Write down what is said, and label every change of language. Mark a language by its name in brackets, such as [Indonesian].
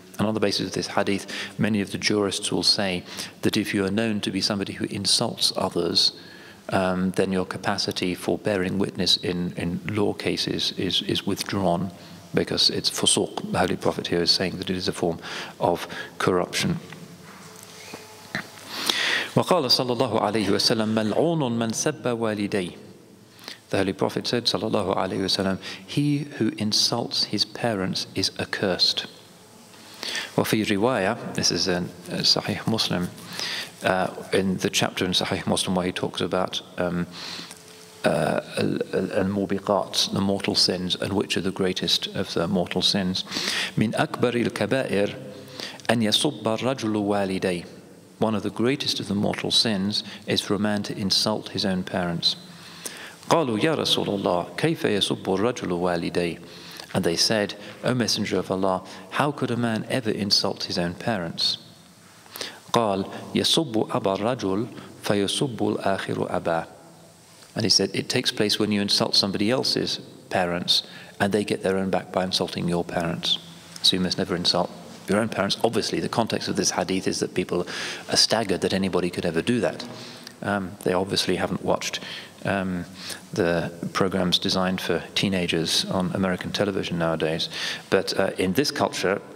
[English] And on the basis of this hadith, many of the jurists will say that if you are known to be somebody who insults others, then your capacity for bearing witness in law cases is withdrawn, because it's fusuq. The Holy Prophet here is saying that it is a form of corruption. [Arabic] وقال صلى الله عليه وسلم ملعون من سب والدي. [English] The Holy Prophet said [Arabic] صلى الله عليه وسلم, [English] he who insults his parents is accursed. [Arabic] وفي رواية, [English] this is in Sahih Muslim, in the chapter in Sahih Muslim where he talks about al-mubiqat, the mortal sins, and which are the greatest of the mortal sins. [Arabic] من أكبر الكبائر أن يسب الرجل والدي. [English] One of the greatest of the mortal sins is for a man to insult his own parents. [Arabic] قالوا يا رسول الله كيف يسب الرجل والدي. [English] And they said, O Messenger of Allah, how could a man ever insult his own parents? [Arabic] قال يسب أبا الرجل فيسب الآخر أبا. [English] And he said, it takes place when you insult somebody else's parents, and they get their own back by insulting your parents. So you must never insult your own parents. Obviously, the context of this hadith is that people are staggered that anybody could ever do that. They obviously haven't watched the programs designed for teenagers on American television nowadays. But in this culture,